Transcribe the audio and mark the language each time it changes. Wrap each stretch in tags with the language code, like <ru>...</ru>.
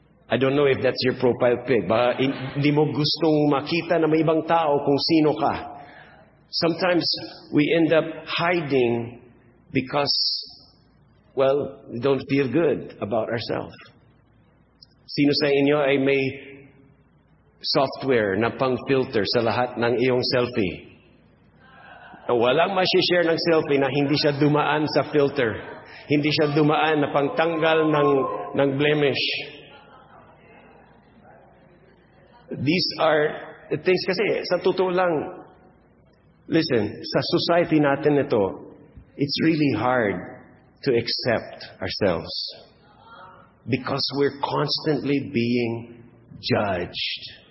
<en>I don't know if that's your profile pic.</en> <tl>Baka hindi mo gustong makita na may ibang tao kung sino ka.</tl> <en>Sometimes, we end up hiding because, well, we don't feel good about ourselves.</en> <tl>Sino sa inyo ay may software na pang-filter sa lahat ng iyong selfie? Walang masishare ng selfie na hindi siya dumaan sa filter. Hindi siya dumaan na pangtanggal ng blemish.</tl> <en>These are the things</en> <tl>kasi, sa totoo lang,</tl> <en>listen,</en> <tl>sa society natin ito,</tl> <en>it's really hard to accept ourselves because we're constantly being judged.</en>